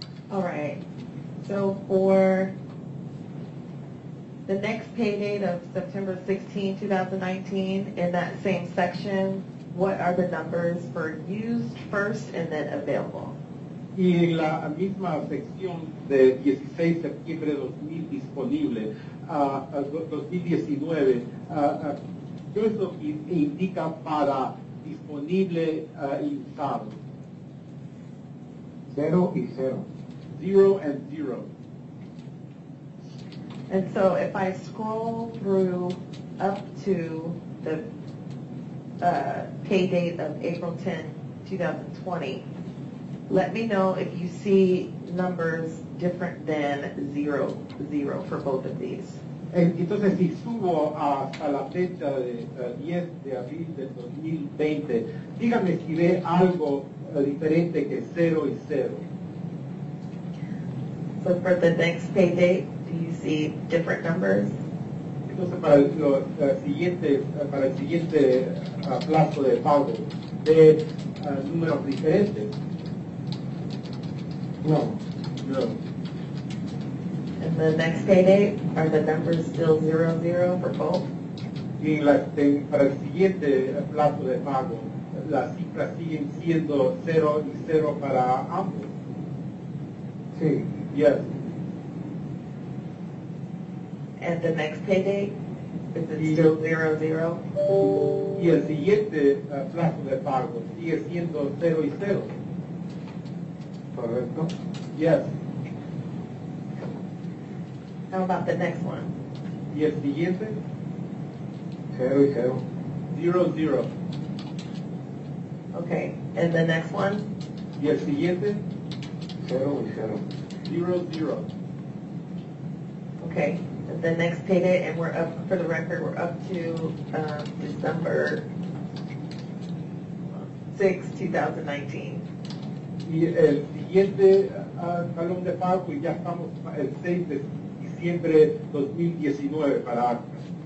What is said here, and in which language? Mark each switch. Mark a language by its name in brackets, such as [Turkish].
[English] All right. So for the next pay date of September 16, 2019, in that same section, what are the numbers for used first and then available? [Spanish] Y en la misma sección de 16 de septiembre 2000 disponible, 2019, ¿qué es lo que indica para disponible y usado? Cero y cero. [English] Zero and zero. And so if I scroll through up to the pay date of April 10, 2020, let me know if you see numbers different than 0-0 for both of these. [Spanish] Entonces, si subo hasta la fecha de 10 de abril de 2020, dígame si ve algo diferente que 0-0. [English] So for the next pay date, do you see different numbers? [Spanish] Entonces, para el siguiente, plazo de pago, ¿ve números diferentes? No. [English] No. And the next pay date, are the numbers still 0-0 for both? [Spanish] Y la, para el siguiente plazo de pago, las cifras siguen siendo 0-0 para ambos. Sí. [English] Yes. And the next pay date, is it still 0-0? [Spanish] Y el siguiente plazo de pago sigue siendo 0-0. Correcto. [English] Yes. How about the next one? [Spanish] Y el siguiente? 0-0. [English] 0-0. Okay, and the next one? [Spanish] Y el siguiente? 0-0. [English] 0-0. Okay, the next payday, and we're up, for the record, we're up to December [Spanish] 6, 2019. Y el siguiente salón de pago, y ya estamos el 6 de diciembre 2019 para ACTA.